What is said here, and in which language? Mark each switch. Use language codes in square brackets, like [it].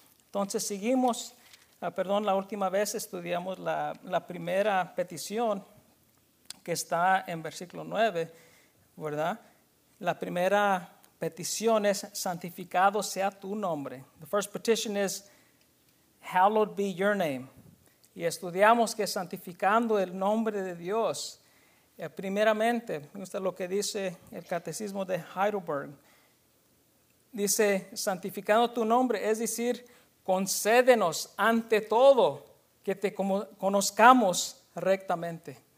[es] Entonces seguimos, perdón, la última vez estudiamos la primera petición que está en versículo 9, ¿verdad? La primera petición es santificado sea tu nombre. [en] The first petition is hallowed be your name. [es] Y estudiamos que santificando el nombre de Dios, primeramente, me gusta lo que dice el catecismo de Heidelberg. Dice, santificando tu nombre, es decir, concédenos ante todo que te conozcamos rectamente.